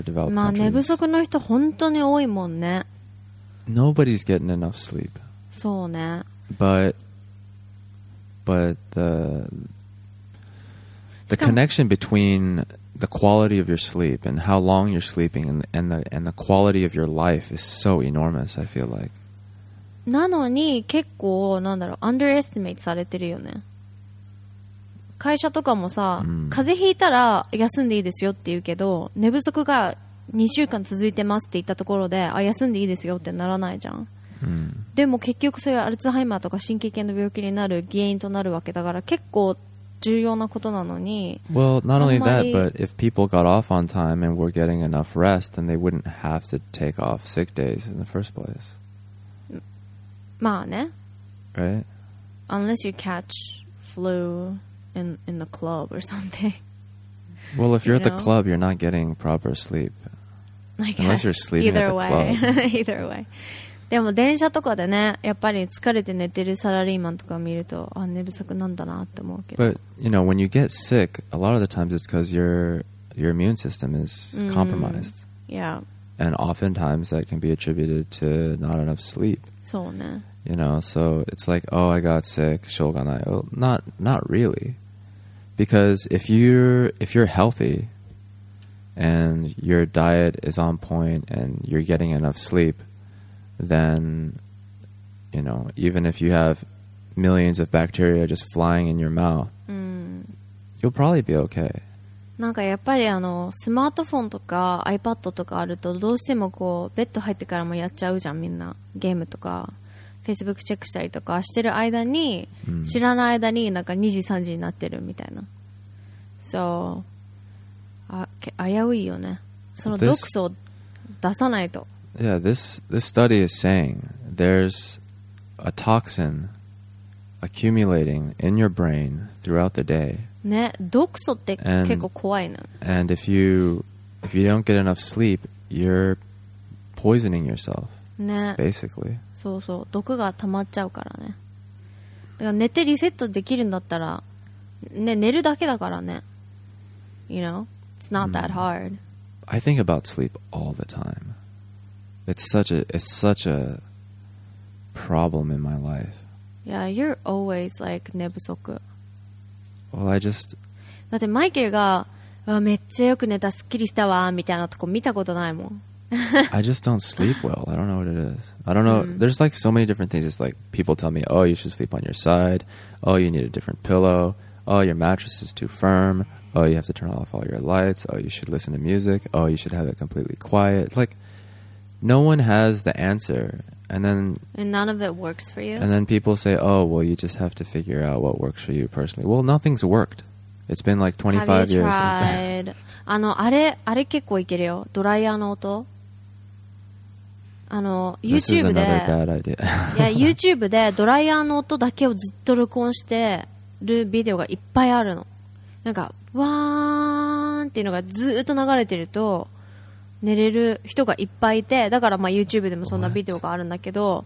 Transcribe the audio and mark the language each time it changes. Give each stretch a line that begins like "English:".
Japanese: まあ寝不足の人本当に多いもんね
English: Nobody's getting enough sleep
Japanese: そうね
English: But the connection between the quality of your sleep and how long you're sleeping and the quality of your life is so enormous I feel like
Japanese: なのに結構なんだろう underestimate されてるよね会社とかもさ、うん、風邪ひいたら休んでいいですよって言うけど寝不足が2週間続いてますって言ったところであ休んでいいですよってならないじゃん、うん、でも結局そういうアルツハイマーとか神経系の病気になる原因となるわけだから結構重要なことなのに
English: Well, not only that, but if people got off on time and were getting enough rest then they wouldn't have to take off sick days in the first place
Japanese: まあね
English: Right? Unless you catch fluIn the club or something. Well, if you're at the club, you're not getting proper sleep. I guess. Unless you're sleeping Either at the way. club. Either way.
Japanese: でも電車とかでね、やっぱり疲れて寝てるサラリーマンとか見ると、あ、寝不足なんだなって思うけど。
English: But, you know, when you get sick, a lot of the times it's because your immune system is compromised. Yeah. And oftentimes that can be attributed to not enough sleep.
Japanese: そうね。
English: You know, so it's like, oh, I got sick, shouganai. Well, not really. Because if you're healthy and your diet is on point and you're getting enough sleep, then, you know, even if you have millions of bacteria just flying in your mouth, you'll probably be okay.
Japanese: なんかやっぱりあのスマートフォンとか iPad とかあるとどうしてもこうベッド入ってからもやっちゃうじゃんみんなゲームとか Facebook チェックしたりとかしてる間に、うん、知らない間になんか2時3時になってるみたいな So あ危ういよねその毒素を出さないと
English: Yeah, this study is saying there's a toxin accumulating in your brain throughout the day
Japanese: ね、毒素って結構怖いな。
English: And if you don't get enough sleep, you're poisoning yourself.
Japanese: ね。
English: Basically.
Japanese: そうそう、毒が溜まっちゃうからね。だから寝てリセットできるんだったら、ね、寝るだけだからね。
English: You know? It's not that hard. I think about sleep all the time. It's such a problem in my life. Yeah, you're always like
Japanese: 寝不足。
English: Well, I just...
Japanese: だってマイケルがめっちゃよく寝たすっきりしたわみたいなとこ見たことないもん
English: I just don't sleep well I don't know what it is I don't know、mm. There's like so many different things It's like people tell me Oh you should sleep on your side Oh you need a different pillow Oh your mattress is too firm Oh you have to turn off all your lights Oh you should listen to music Oh you should have it completely quiet Like no one has the answerAnd none of it works for you? And then people say, oh, well, you just have to figure out what works for you personally. Well, nothing's worked. It's been like 25 years. Have you tried?
Japanese: あの、あれ結構いけるよ。ドライヤーの音。あの、YouTube で。
English: This is another bad idea.
Japanese: yeah, YouTube でドライヤーの音だけをずっと録音してるビデオがいっぱいあるの。なんか、わーんっていうのがずっと流れてると、寝れる人がいっぱいいて、だからまあ YouTube でもそんなビデオがあるんだけど。